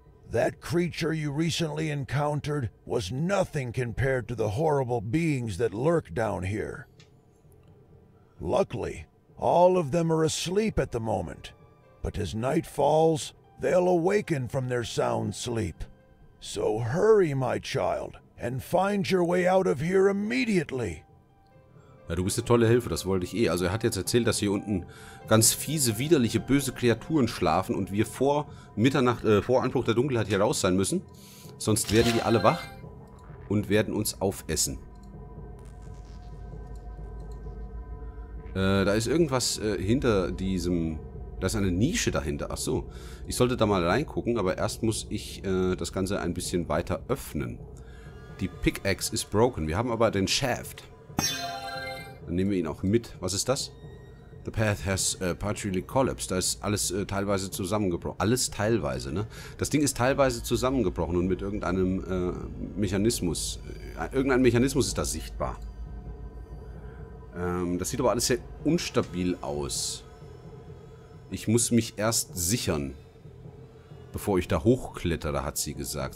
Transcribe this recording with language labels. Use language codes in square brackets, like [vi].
[en] That creature you recently encountered was nothing compared to the horrible beings that lurk down here. Luckily, all of them are asleep at the moment. But as night falls, they'll awaken from their sound sleep. So hurry, my child, and find your way out of here immediately. [de] Ja, du bist eine tolle Hilfe, das wollte ich eh. Also er hat jetzt erzählt, dass hier unten ganz fiese, widerliche, böse Kreaturen schlafen und wir vor Mitternacht, vor Anbruch der Dunkelheit hier raus sein müssen. Sonst werden die alle wach und werden uns aufessen. Da ist irgendwas hinter diesem... Da ist eine Nische dahinter. Ach so. Ich sollte da mal reingucken, aber erst muss ich das Ganze ein bisschen weiter öffnen. Die Pickaxe ist broken. Wir haben aber den Shaft. Dann nehmen wir ihn auch mit. Was ist das? [en] The path has partially collapsed. [de] Da ist alles teilweise zusammengebrochen. Alles teilweise, ne? Das Ding ist teilweise zusammengebrochen und mit irgendeinem Mechanismus. Irgendein Mechanismus ist da sichtbar. Das sieht aber alles sehr unstabil aus. Ich muss mich erst sichern, bevor ich da hochklettere, hat sie gesagt.